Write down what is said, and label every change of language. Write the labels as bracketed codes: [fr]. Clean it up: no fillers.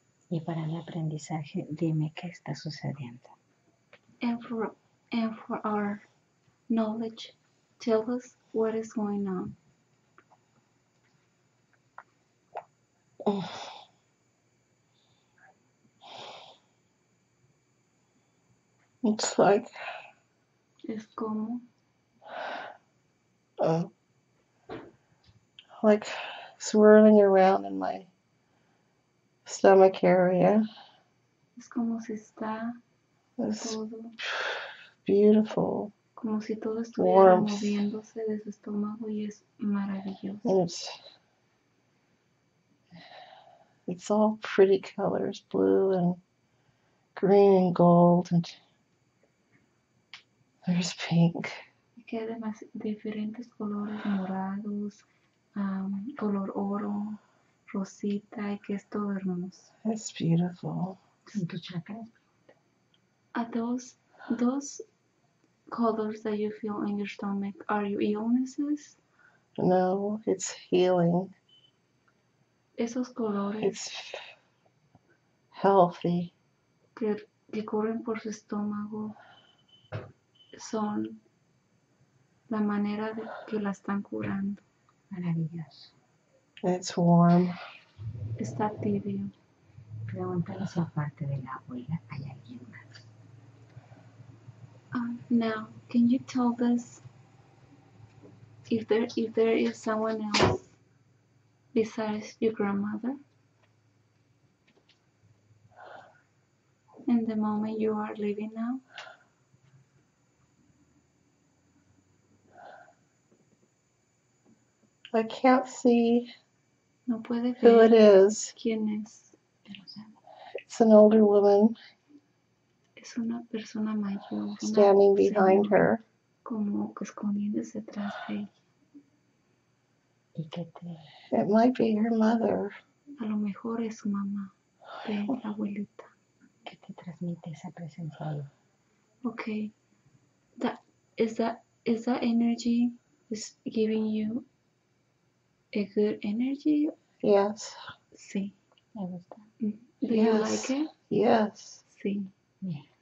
[es] Y para el aprendizaje, dime qué está sucediendo. [en] And for our knowledge, tell us what is going on. Oh. It's like [es] es como [en] like swirling around in my stomach area. [es] Es como si está [en] this [es] todo [en] beautiful [es] como si todo estuviera moviéndose de su estómago y es maravilloso. [en] And it's all pretty colors, blue and green and gold and there's pink. [es] Que además diferentes colores morados, color oro, rosita, y que es todo hermoso. [en] It's beautiful. [es] Tu chakra. [en] Are those colors that you feel in your stomach, are you illnesses? No, it's healing. [es] Esos colores. [en] It's healthy. [es] Que corren por su estómago. Son la manera de que la están curando. Maravilloso. [en] It's warm. [es] Está tibio. Pregúntale si aparte de la abuela hay alguien más. [en] Now, can you tell us if there is someone else besides your grandmother? In the moment you are living now? I can't see [es] no puede [en] who it is. [es] ¿Quién es? [en] It's an older woman [es] es una persona mayor, una [en] standing behind her. [es] Como escondiéndose tras de ella. [en] It might be her mother. [es] A lo mejor es su mamá, de la abuelita. ¿Qué te transmite esa presencia? [en] Okay. Is that energy is giving you a good energy? Yes. [es] Sí. Me gusta. [en] Do yes. you like it? Yes. [es] Sí. [en] Yeah.